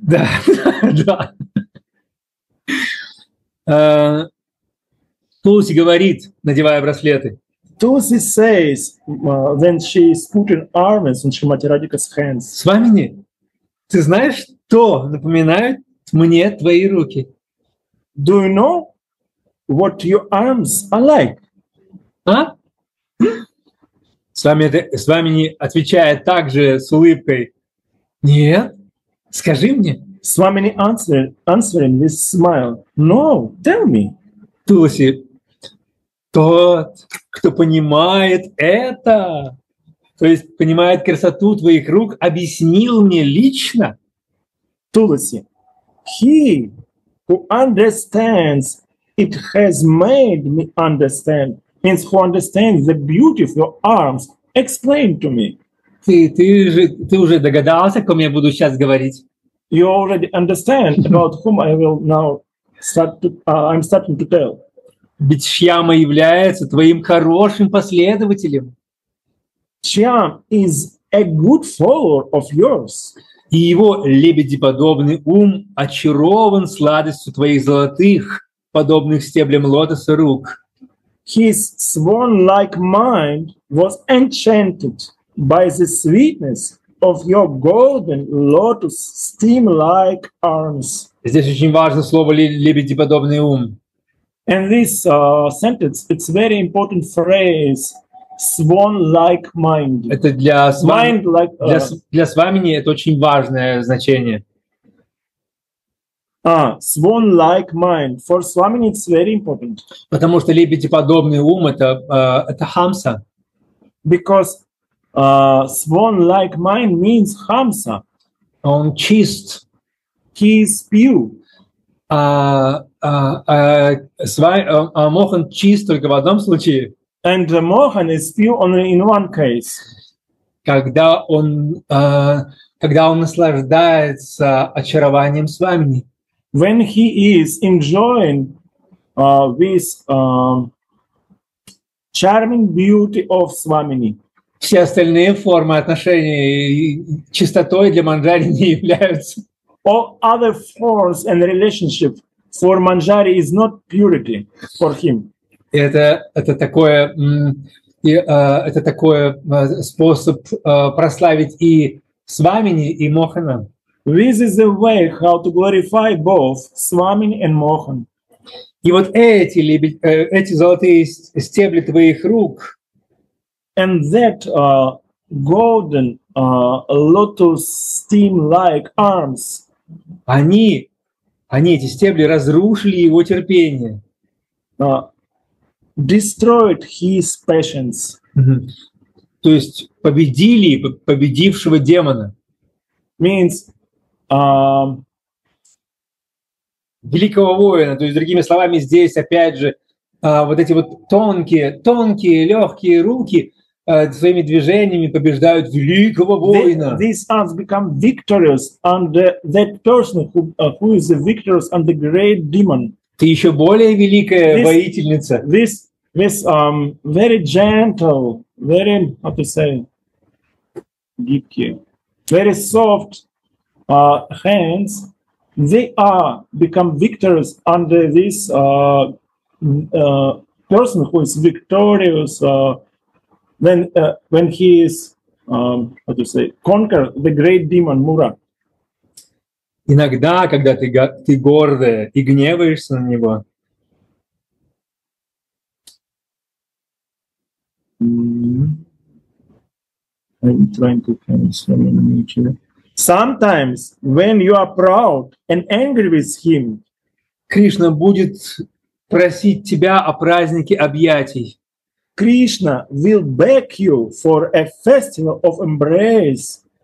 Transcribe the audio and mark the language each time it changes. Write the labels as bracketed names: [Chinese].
[Russian] Да, Туласи говорит, надевая браслеты. [English] Туласи says, when she is putting armlets on Shrimati Radhika's hands. [Russian] Свамини, ты знаешь, что напоминают мне твои руки? [English] Do you know what your arms are like? А? [Russian] Свамини отвечает также с улыбкой. Нет. Скажи мне. [English] Свамини answering with smile. No, tell me. [Russian] Туласи, тот, кто понимает это, то есть понимает красоту твоих рук, объяснил мне лично. [English] Туласи, he who understands it has made me understand, means who understands the beauty of your arms, explain to me. [Russian] Ты уже догадался, о ком я буду сейчас говорить? [English] You already understand about whom I will now start to, I'm starting to tell. [Russian] Ведь Шьяма является твоим хорошим последователем. [English] Шьям is a good follower of yours. [Russian] И его лебедеподобный ум очарован сладостью твоих золотых, подобных стеблям лотоса рук. [English] His swan-like mind was enchanted by the sweetness of your golden lotus stem-like arms. [Russian] Здесь очень важно слово лебедеподобный ум. [English] And this sentence, it's very important phrase. Swan-like mind. [Russian] Это для свами, [English] mind-like, [Russian] для свамини это очень важное значение. [English] Swan-like mind. For swamini it's very important. [Russian] Потому что лебедеподобный ум это хамса. [English] Because swan-like mind means хамса. [Russian] Он чист. [English] He is pure. [Russian] Мохан чист только в одном случае. [English] And the Mohan is pure only in one case. [Russian] когда он наслаждается очарованием с вами. [English] When he is enjoying with charming beauty of Swamini. [Russian] Все остальные формы отношений чистотой для Манджари не являются. [English] All other forms and relationship for Manjari is not purity for him. [Russian] Это такой способ прославить и Свамини, и Мохана. [English] This is the way how to glorify both Swamini and Mohan. [Russian] И вот эти золотые стебли твоих рук. [English] And that golden lotus stem-like arms. [Russian] Они эти стебли разрушили его терпение. [English] Destroyed his patience. [Russian] То есть победили победившего демона. [English] Means [Russian] великого воина. То есть, другими словами, здесь опять же вот эти вот тонкие, легкие руки своими движениями побеждают великого воина. [English] These arms become victorious under that person who is a victorious under great demon. [Russian] Ты еще более великая воительница. [English] This very gentle, very how to say, [Russian] гибкие, [English] very soft hands, they are become victors under this person who is victorious when he is how to say, conquer the great demon Mura. [Russian] Иногда, когда ты гордая и гневаешься на него. [English] I'm trying to finish some nature. Sometimes when you are proud and angry with him, [Russian] Krishna будет просить тебя о празднике объятий. [English] Krishna will beg you for a festival of embrace.